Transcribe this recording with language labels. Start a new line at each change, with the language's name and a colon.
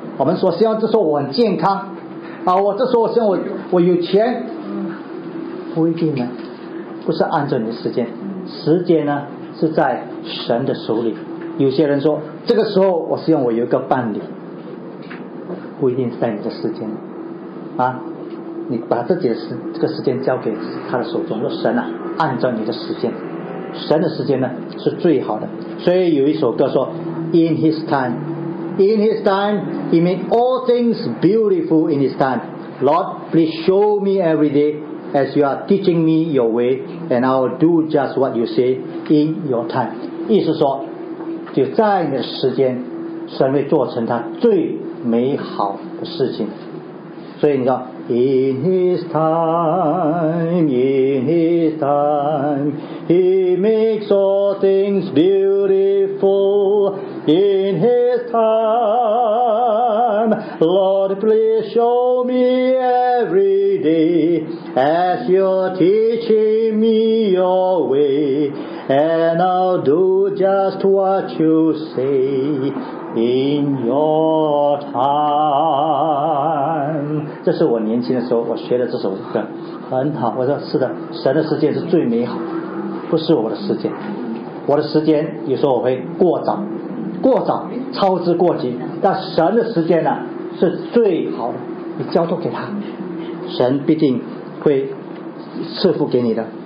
Chinese: 我们说希望这时候我很健康啊，我这时候我希望我有钱，不一定呢，不是按照你的时间，时间呢是在神的手里。有些人说这个时候我希望我有一个伴侣，不一定是在你的时间啊，你把自己的这个时间交给他的手中，说神啊，按照你的时间，神的时间呢是最好的。所以有一首歌说
English: In His time He made all things beautiful in His time. Lord, please show me every day as you are teaching me your way, and I will do just what you say in your time.
Chinese: 意思说，就在你的时间，神会做成他最美好的事情。所以你说
English: In His time He makes all things beautiful in His time. Lord, please show me every day as you're teaching me your way, and I'll do just what you say in your time.
Chinese: 这是我年轻的时候我学的这首歌，很好。我说是的，神的世界是最美好，不是我的时间。我的时间有时候我会过早操之过急，但神的时间呢是最好的，你交托给他，神必定会赐福给你的。